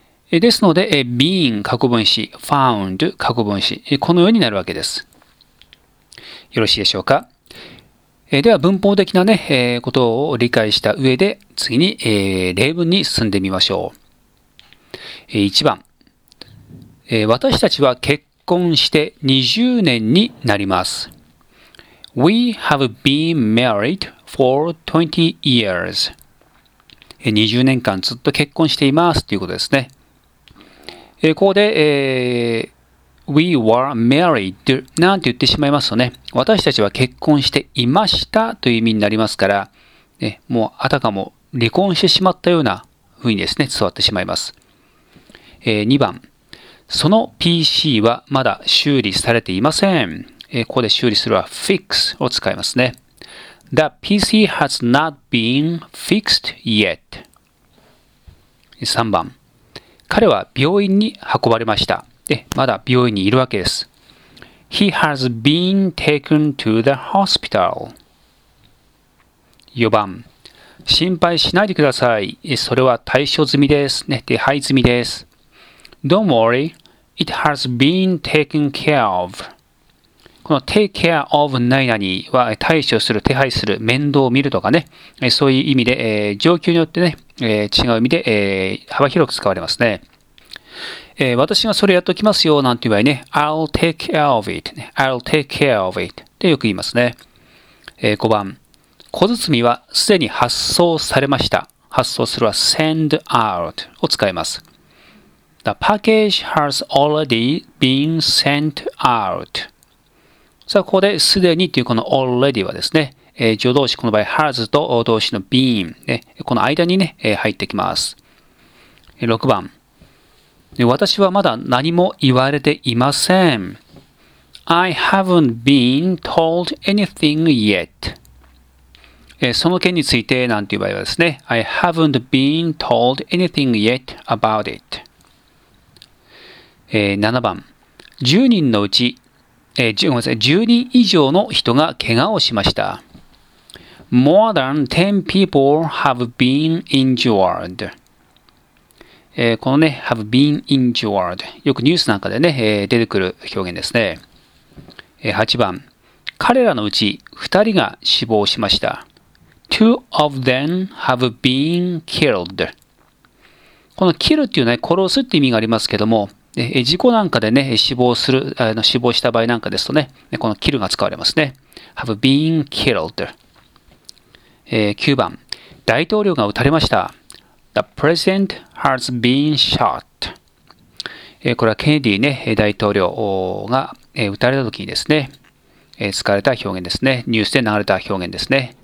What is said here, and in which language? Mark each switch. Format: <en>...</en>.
<ja>ですので、been 過去分詞、found 過去分詞、このようになるわけです。よろしいでしょうか。では文法的なね、ことを理解した上で次に、例文に進んでみましょう。 1番、私たちは結婚して20年になります。</ja> <en>We have been married for 20 years.</en> <ja>20年間ずっと結婚していますということですね。ここで、</ja> <en>We were married</en> <ja>なんて言ってしまいますとね、私たちは結婚していましたという意味になりますから、ね、もうあたかも離婚してしまったような風にですね、伝わってしまいます。 2番、その PC はまだ修理されていません。ここで修理するは fix を使いますね。</ja> <en>The PC has not been fixed yet.</en> <ja>3番、彼は病院に運ばれました。で、まだ病院にいるわけです。</ja> <en>He has been taken to the hospital.</en> <ja>4番、心配しないでください。それは対処済みです。ね、手配済みです。</ja> <en>Don't worry, it has been taken care of.</en> <ja>この take care of 何々は対処する、手配する、面倒を見るとかね、そういう意味で、状況によってね、違う意味で、幅広く使われますね。私がそれやっておきますよなんて言う場合ね、</ja> <en>I'll take care of it. I'll take care of it.</en> <ja>ってよく言いますね。 5番、小包はすでに発送されました。発送するは send out を使います。</ja> <en>The package has already been sent out.</en> <ja>さあ、ここですでにというこの already はですね、助動詞この場合 has と動詞の been、ね、この間にね、入ってきます。 6番、私はまだ何も言われていません。</ja> <en>I haven't been told anything yet.</en> <ja>その件についてなんていう場合はですね、</ja> <en>I haven't been told anything yet about it.</en> <ja>7番、10人のうち、10人以上の人が怪我をしました。</ja> <en>More than 10 people have been injured.</en> <ja>このね、</ja> <en>have been injured。</en> <ja>よくニュースなんかでね、出てくる表現ですね。8番、彼らのうち2人が死亡しました。</ja> <en>Two of them have been killed。</en> <ja>この kill っていうね、殺すっていう意味がありますけども、事故なんかでね、死亡した場合なんかですとね、この kill が使われますね。</ja> <en>have been killed.</en> <ja>9番、大統領が撃たれました。</ja> <en>The president has been shot.</en> <ja>これはケネディ、ね、大統領が撃たれた時にですね、使われた表現ですね。ニュースで流れた表現ですね。</ja>